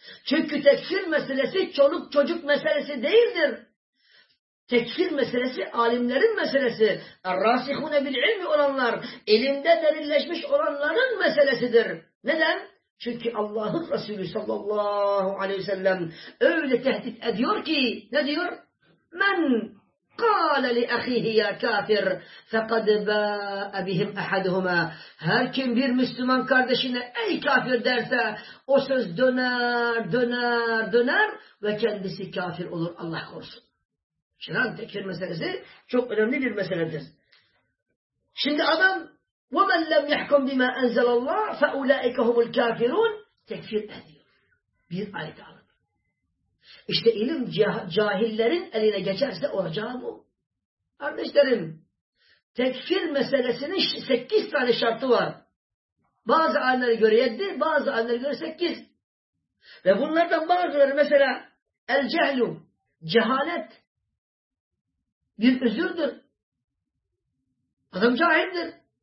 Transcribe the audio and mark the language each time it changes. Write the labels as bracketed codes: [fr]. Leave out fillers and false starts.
[tr] Çünkü tekfir meselesi çoluk çocuk meselesi değildir. Tekfir meselesi alimlerin meselesi. Rasihune bil ilmi olanlar, ilimde derinleşmiş olanların meselesidir. Neden? Çünkü Allah'ın Resulü sallallahu aleyhi ve sellem öyle tehdit ediyor ki, ne diyor? [ar] Men قال لأخيه يا كافر فقد باء بهم أحدهما. [tr] Her kim bir Müslüman kardeşine ey kafir derse o söz döner döner döner ve kendisi kafir olur, Allah korusun. Şunun tekfir meselesi çok önemli bir meseledir. Şimdi adam [ar] وَمَنْ لَمْ يَحْكُمْ بِمَا أَنْزَلَ اللّٰهِ فَاُولَٰئِكَ هُمُ الْكَافِرُونَ [tr] tekfir ediyor. Bir ayet alın. İşte ilim cahillerin eline geçerse olacağı bu. Kardeşlerim, tekfir meselesinin 8 tane şartı var. Bazı alimlere göre 7, bazı alimlere göre 8. Ve bunlardan bazıları mesela el-cehlu, cehalet bir üzürdür. Adam cahildir.